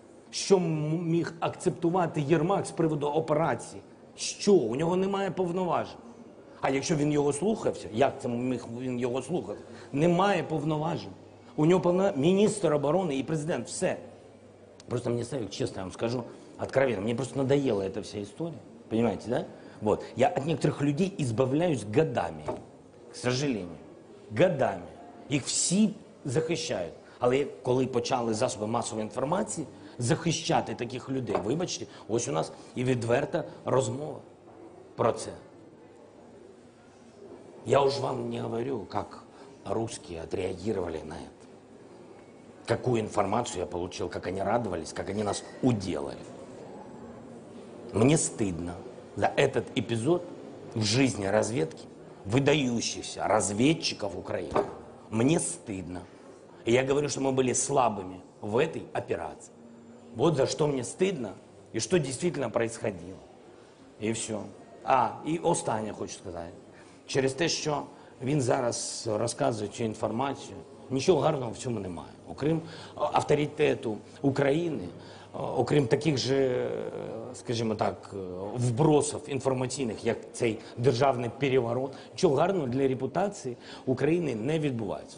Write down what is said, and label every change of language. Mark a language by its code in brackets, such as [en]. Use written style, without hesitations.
[uk] Що міг акцептувати Єрмак з приводу операції? Що? У нього немає повноважень. А якщо він його слухався, як це міг він його слухати? Немає повноважень. У нього міністр оборони і президент. Все. Просто мені стає, чесно, я вам скажу, откровенно, мені просто надоела эта вся історія. [ru] Понимаете, да? Вот. Я от некоторых людей избавляюсь годами. К сожалению. Годами. Їх всі захищають. [uk] Але коли почали засоби масової інформації захищати таких людей, вибачте, ось у нас і відверта розмова про це. Я уж вам не говорю, як русські відреагували на це. Яку інформацію я отримав, як вони радувались, як вони нас уділили. Мені стидно за цей епізод в житті розвідки, видаючихся розвідчиків України. [ru] Мне стыдно. И я говорю, что мы были слабыми в этой операции. Вот за что мне стыдно и что действительно происходило. И все. [uk] А, и останнє хочу сказати. Через те, що він зараз розказує цю інформацію, нічого гарного в цьому немає. Окрім авторитету України, окрім таких же, скажімо так, вбросів інформаційних, як цей державний переворот, чого гарного для репутації України не відбувається.